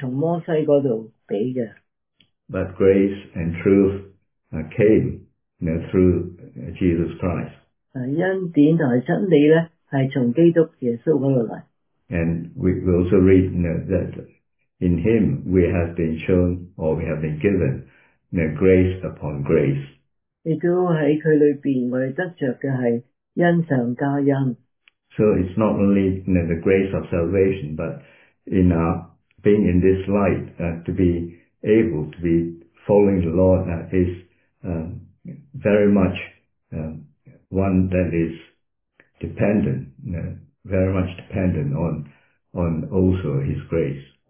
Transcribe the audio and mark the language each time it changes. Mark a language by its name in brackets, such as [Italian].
[Chinese] 在第一章可以講到的律法是從摩西那裡給的。But [English] grace and truth came through Jesus Christ. [Chinese] 恩典和真理是從基督耶穌那裡來。And [English] we also read that in Him we have been shown, or we have been given grace upon grace. [Chinese] 亦都在祂裡面我們得著的是恩上加恩。 [English] So it's not only the grace of salvation, but in our being in this light, to be able to be following the Lord is very much one that is dependent, very much dependent on also His grace.